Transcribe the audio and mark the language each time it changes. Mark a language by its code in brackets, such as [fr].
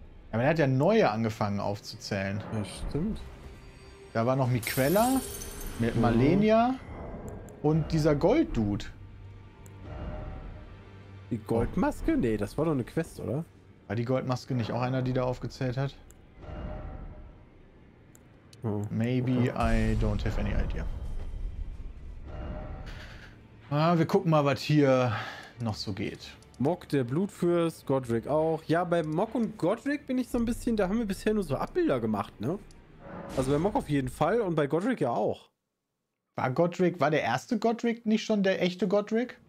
[de] Ja, aber er hat ja neue angefangen aufzuzählen. Ja, stimmt. Da war noch Miquella, mit Malenia und dieser Golddude. Die Goldmaske? Nee, das war doch eine Quest, oder? War die Goldmaske nicht auch einer, die da aufgezählt hat? [en] Oh, maybe okay. I don't have any idea. [de] Ah, wir gucken mal, was hier noch so geht. Mock, der Blutfürst, Godric auch. Ja, bei Mock und Godric bin ich so ein bisschen, da haben wir bisher nur so Abbilder gemacht, ne? Also bei Mock auf jeden Fall und bei Godric ja auch. War Godric, war der erste Godric nicht schon der echte Godric?